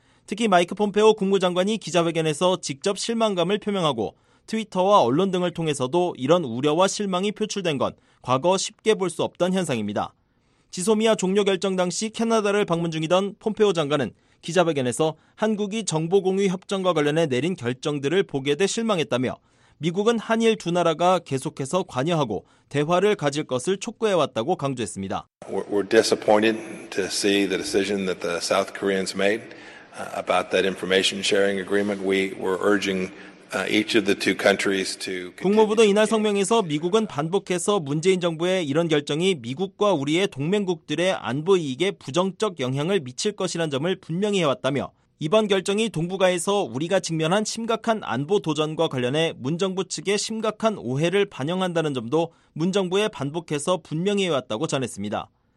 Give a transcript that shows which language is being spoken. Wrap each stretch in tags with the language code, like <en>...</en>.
<ko>특히 마이크 폼페오 국무장관이 기자회견에서 직접 실망감을 표명하고 트위터와 언론 등을 통해서도 이런 우려와 실망이 표출된 건 과거 쉽게 볼 수 없던 현상입니다. 지소미아 종료 결정 당시 캐나다를 방문 중이던 폼페오 장관은 기자회견에서 한국이 정보공유 협정과 관련해 내린 결정들을 보게 돼 실망했다며 미국은 한일 두 나라가 계속해서 관여하고 대화를 가질 것을 촉구해왔다고 강조했습니다.</ko> <en>We're disappointed to see the decision that the South Koreans made about that information sharing agreement. We were urging each of the two countries to.</en> <ko>국무부도 이날 성명에서 미국은 반복해서 문재인 정부의 이런 결정이 미국과 우리의 동맹국들의 안보 이익에 부정적 영향을 미칠 것이란 점을 분명히 해왔다며 이번 결정이 동북아에서 우리가 직면한 심각한 안보 도전과 관련해 문 정부 측의 심각한 오해를 반영한다는 점도 문 정부에 반복해서 분명히 해왔다고 전했습니다.</ko>